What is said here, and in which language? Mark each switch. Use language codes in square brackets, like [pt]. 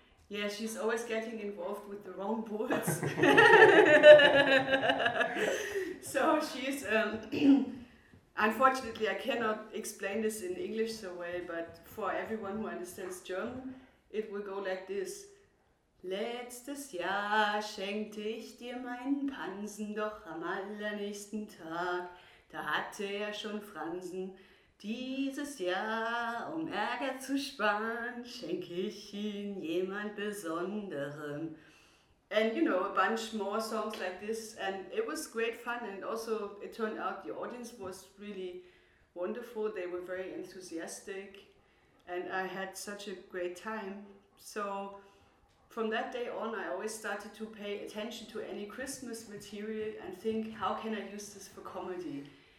[en] Yeah, she's always getting involved with the wrong bulls. So she's, unfortunately, I cannot explain this in English so well, but for everyone who understands German, it will go like this. [de] Letztes Jahr schenkte ich dir meinen Pansen, doch am allernächsten Tag, da hatte er schon Fransen. Dieses Jahr, um Ärger zu sparen, schenke ich ihn jemand Besonderem. [en] And, you know, a bunch more songs like this, and it was great fun, and also it turned out the audience was really wonderful. They were very enthusiastic, and I had such a great time. So from that day on, I always started to pay attention to any Christmas material and think, how can I use this for comedy?